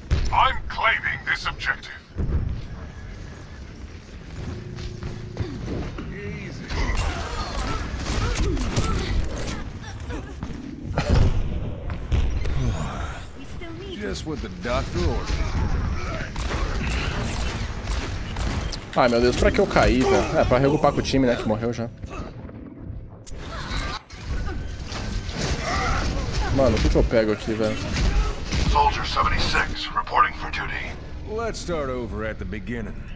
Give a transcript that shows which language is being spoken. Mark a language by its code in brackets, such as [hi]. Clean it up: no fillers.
[en] I'm claiming this objective. Just what the doctor ordered. [pt] Ai, meu Deus, pra que eu caí, velho? É, pra regrupar com o time, né, que morreu já. Mano, o que que eu pego aqui, velho? [en] Soldier 76, reporting for duty. Let's start over at the beginning.